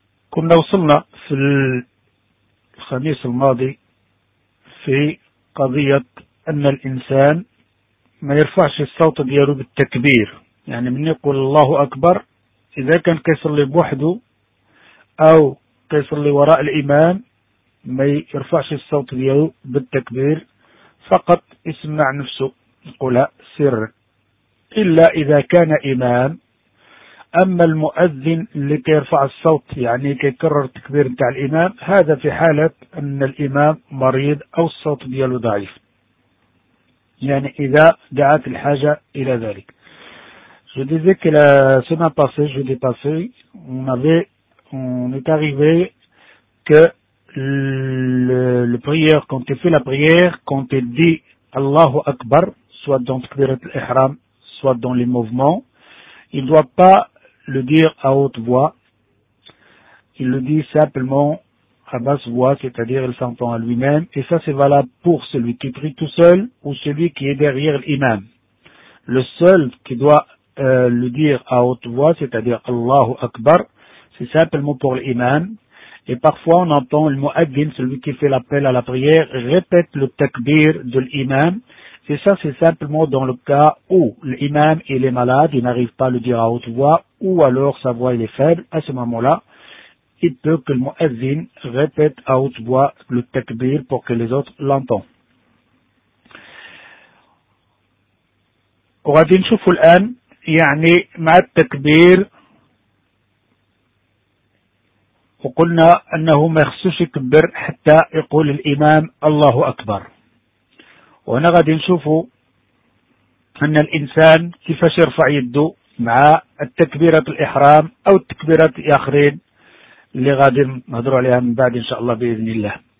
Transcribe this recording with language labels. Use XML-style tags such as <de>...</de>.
<ar>كنا وصلنا في الخميس الماضي في قضية أن الإنسان ما يرفعش الصوت دياله بالتكبير، يعني من يقول الله أكبر إذا كان كيصلي بوحده أو كيصلي وراء الإمام ما يرفعش الصوت دياله بالتكبير، فقط يسمع نفسه يقولها سرا إلا إذا كان إمام. أما المؤذن لكي يرفع الصوت يعني كي يكرر التكبير نتاع الإمام، هذا في حالة أن الإمام مريض أو الصوت دياله ضعيف، يعني إذا دعت الحاجة إلى ذلك.</ar> <fr>Je disais que la semaine passée, jeudi passé, on est arrivé que le prière, quand il fait la prière, quand il dit Allahu Akbar, soit dans Takbirat al-Ihram, soit dans les mouvements, il ne doit pas le dire à haute voix. Il le dit simplement à basse voix, c'est-à-dire il s'entend à lui-même. Et ça, c'est valable pour celui qui prie tout seul ou celui qui est derrière l'imam. Le seul qui doit le dire à haute voix, c'est-à-dire Allahu Akbar, c'est simplement pour l'imam. Et parfois, on entend le mu'addin, celui qui fait l'appel à la prière, répète le takbir de l'imam. Et ça, c'est simplement dans le cas où l'imam, il est malade, il n'arrive pas à le dire à haute voix, ou alors sa voix, il est faible. À ce moment-là, il peut que le mu'addin répète à haute voix le takbir pour que les autres l'entendent.</fr> <ar>وغادي نشوفوا الآن يعني مع التكبير، وقلنا أنه ما يخصوش يكبر حتى يقول الإمام الله أكبر. وهنا غادي نشوفوا أن الإنسان كيفاش يرفع يده مع التكبيرة الإحرام أو التكبيرات الآخرين اللي غادي نهضروا عليها من بعد إن شاء الله بإذن الله.</ar>